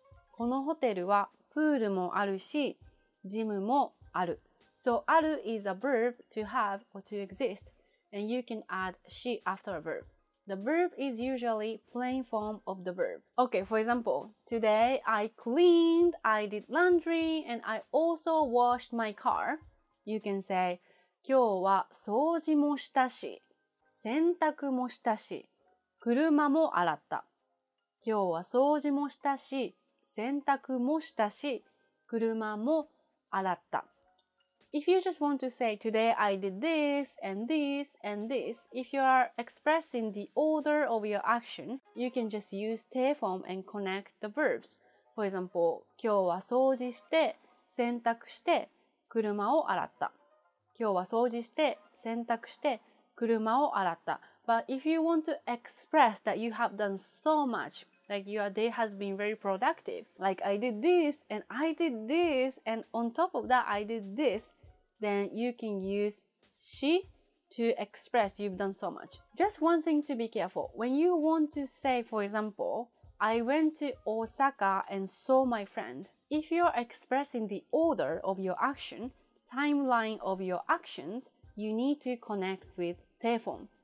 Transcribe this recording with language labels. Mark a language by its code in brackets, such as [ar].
[ja] このホテルはプールもあるし、ジムもある。 [en] So, ある is a verb to have or to exist. And you can add she after a verb. The verb is usually plain form of the verb. Okay, for example, today I cleaned, I did laundry, and I also washed my car. You can say, [ja] 今日は掃除もしたし、洗濯もしたし、車も洗った。今日は掃除もしたし、洗濯もしたし、車も洗った。 [en] If you just want to say, today I did this and this and this, if you are expressing the order of your action, you can just use te form and connect the verbs. For example, [ja] 今日は掃除して、洗濯して、車を洗った。今日は掃除して、洗濯して、車を洗った。 [en] But if you want to express that you have done so much, like your day has been very productive, like I did this, and I did this, and on top of that, I did this, then you can use she to express you've done so much. Just one thing to be careful. When you want to say, for example, I went to Osaka and saw my friend,If you're expressing the order of your action, timeline of your actions, you need to connect with te form.